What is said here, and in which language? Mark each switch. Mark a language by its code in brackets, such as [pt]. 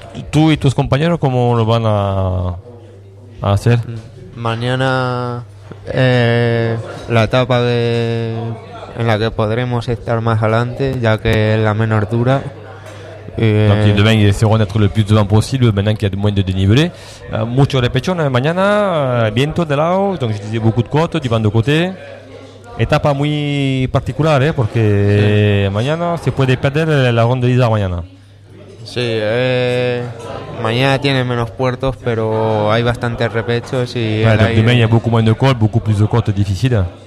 [es] Tú y tus compañeros, ¿cómo lo van a hacer? Mañana la etapa de en la que podremos estar más adelante, ya que es la menos dura. [fr] Donc demain ils essaieront d'être le plus devant possible maintenant qu'il y a moins de dénivelé. [es] Mucho repechón mañana, viento de lado, [fr] donc je disais beaucoup de côtes, du vent de côté. [es] Etapa muy particular, porque sí. Mañana se puede perder la Ronde de Lizard mañana. Sí, mañana tiene menos puertos, pero hay bastantes repechos y [fr] ouais, donc, demain il y a beaucoup moins de côtes, beaucoup plus de côtes difficiles.